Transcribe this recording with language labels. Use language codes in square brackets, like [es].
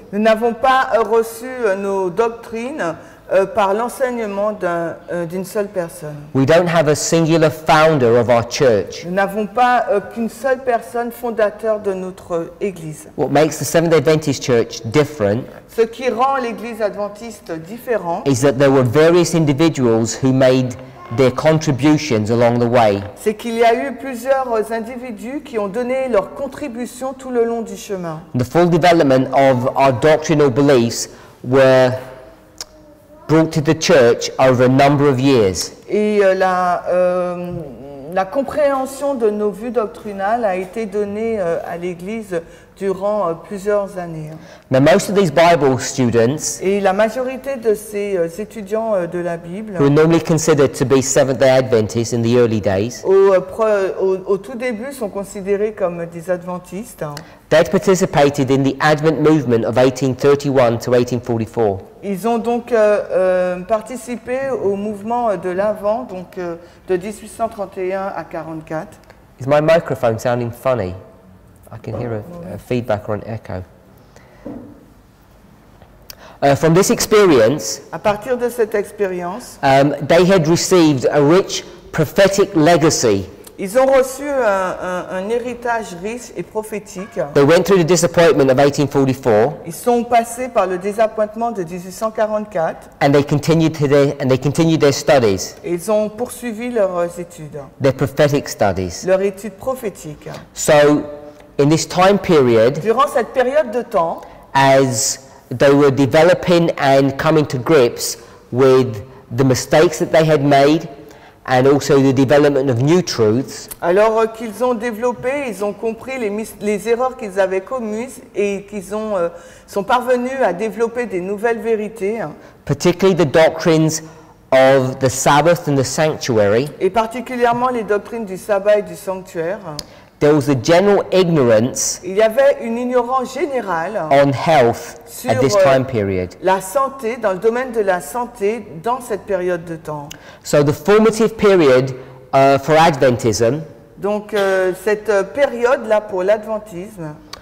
[fr] Nous n'avons pas reçu nos doctrines par l'enseignement d'une seule personne. [en] We don't have a singular founder of our church. [fr] Nous n'avons pas qu'une seule personne fondateur de notre église. [en] What makes the Seventh-day Adventist Church different? [fr] Ce qui rend l'église adventiste différente [en] is that there were various individuals who made their contributions along the way. [fr] C'est qu'il y a eu plusieurs individus qui ont donné leur contribution tout le long du chemin. [en] The full development of our doctrinal beliefs were brought to the church over a number of years. [fr] Et la la compréhension de nos vues doctrinales a été donnée à l'Église durant plusieurs années. [en] Now, most of these Bible students, [fr] et la majorité de ces étudiants de la Bible, [en] who are normally considered to be Seventh-day Adventists in the early days, [fr] au tout début sont considérés comme des Adventistes. [en] They participated in the Advent movement of 1831 to 1844. [fr] Ils ont donc participé au mouvement de l'Avent, donc de 1831 à 44. [en] Is my microphone sounding funny? I can hear a feedback or an echo. From this experience, [fr] à partir de cette expérience, [en] they had received a rich prophetic legacy. [fr] Ils ont reçu un héritage riche et prophétique. [en] They went through the disappointment of 1844. [fr] Ils sont passés par le désappointement de 1844. [en] And they continued to their studies. [fr] Ils ont poursuivi leurs études. [en] Their prophetic studies. [fr] Leur étude prophétique. [en] So, in this time period, [fr] durant cette période de temps, [en] as they were developing and coming to grips with the mistakes that they had made, and also the development of new truths. [fr] Alors qu'ils ont développé, ils ont compris les erreurs qu'ils avaient commises et qu'ils ont sont parvenus à développer des nouvelles vérités. [en] Particularly the doctrines of the Sabbath and the sanctuary. [fr] Et particulièrement les doctrines du sabbat et du sanctuaire. [en] There was a general ignorance. [fr] Il y avait une ignorance générale. [en] On health at this time period. [fr] La santé dans le domaine de la santé dans cette période de temps. [en] So the formative period for Adventism. [fr] Donc cette période là pour l'adventisme.